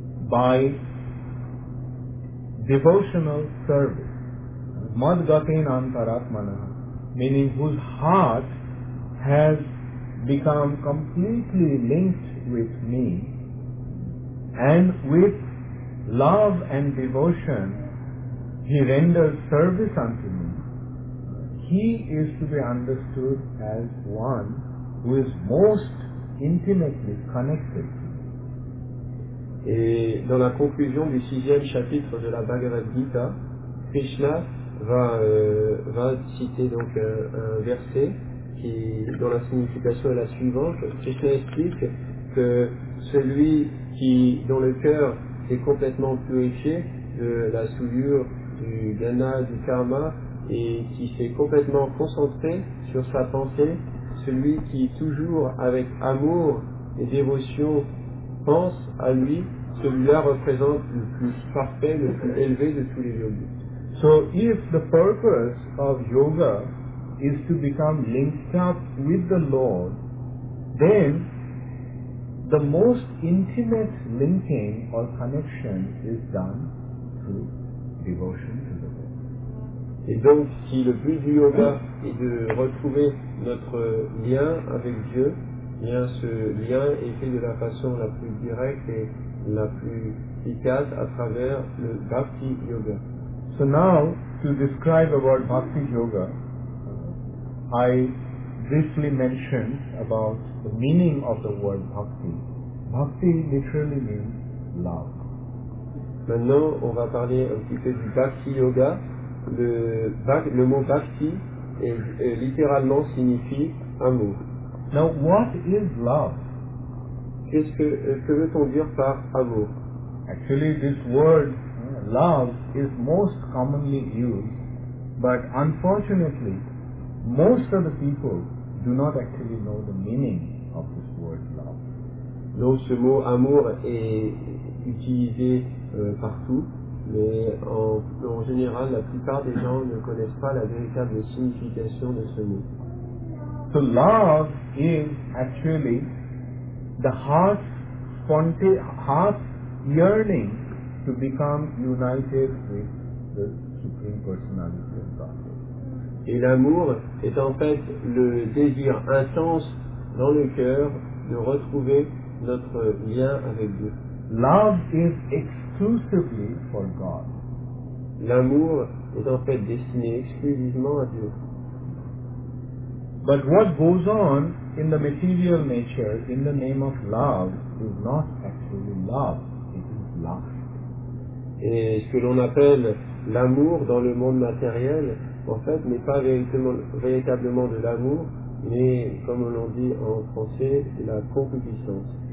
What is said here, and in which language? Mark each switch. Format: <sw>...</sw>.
<en>by devotional service,</en> <sa>Mad Gatenam Karatmana,</sa> <en>meaning whose heart has become completely linked with me, and with love and devotion he renders service unto me, he is to be understood as one who is most intimately connected to me.</en> <fr>Et dans la conclusion du sixième chapitre de la Bhagavad Gita, Krishna va citer donc un verset qui, dont la signification est la suivante. Krishna explique que celui qui, dont le cœur est complètement purifié de la souillure du jnana, du karma, et qui s'est complètement concentré sur sa pensée, celui qui toujours avec amour et dévotion pense à lui, celui-là représente le plus parfait, le plus élevé de tous les yogis.</fr> <en>So if the purpose of yoga is to become linked up with the Lord, then the most intimate linking or connection is done through devotion to the Lord.</en> <fr>Et donc, si le but du yoga est de retrouver notre lien avec Dieu, bien ce lien est fait de la façon la plus directe et la plus efficace à travers le bhakti yoga.</fr> <en>So now, to describe about bhakti yoga, I briefly mentioned about the meaning of the word bhakti. Bhakti literally means love.</en> <fr>Maintenant, on va parler un petit peu du bhakti yoga. Le mot bhakti littéralement signifie amour.</fr> <en>Now, what is love?</en> <fr>Que veut-on dire par amour?</fr> <en>Actually, this word love is most commonly used, but unfortunately, most of the people do not actually know the meaning of this word love.</en> <fr>Donc ce mot amour est utilisé partout, mais en général, la plupart des gens ne connaissent pas la véritable signification de ce mot.</fr> <en>So love is actually the heart's heart yearning to become united with the Supreme Personality of God.</en> <fr>Et l'amour est en fait le désir intense dans le cœur de retrouver notre lien avec Dieu.</fr> <en>Love is exclusively for God.</en> <fr>L'amour est en fait destiné exclusivement à Dieu.</fr> <en>But what goes on in the material nature in the name of love is not actually love, it is lust.</en> <fr>Et ce que l'on appelle l'amour dans le monde matériel, en fait, n'est pas véritablement de l'amour, mais comme l'on dit en français, c'est la concupiscence.</fr>